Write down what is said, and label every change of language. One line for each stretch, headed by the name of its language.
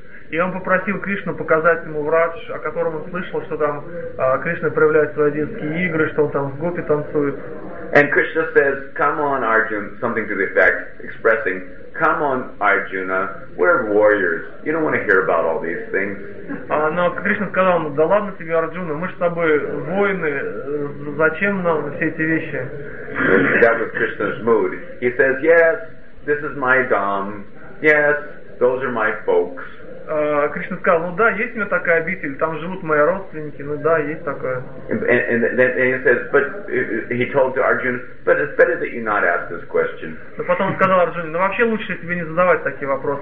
Russian: И он попросил Кришну показать ему Врадж, о котором он слышал, что там Кришна проявляет свои детские игры, что он там с гопи танцует.
English: And Krishna says, come on, Arjuna, something to the effect, expressing, come on, Arjuna, we're warriors, you don't want to hear about all these things.
Russian: Но Кришна сказал ему, да ладно тебе, Арджуна, мы же с тобой воины, зачем нам все эти вещи?
English: That was Krishna's mood. He says, yes, this is my dham, yes, those are my folks.
Russian: Кришна сказал, ну да, есть у меня такая обитель, там живут мои родственники, ну да, есть такое.
English: And he says, but he told Arjuna, but it's better that you not ask this question.
Russian: Но потом сказал Арджуне, ну вообще лучше тебе не задавать такие вопросы.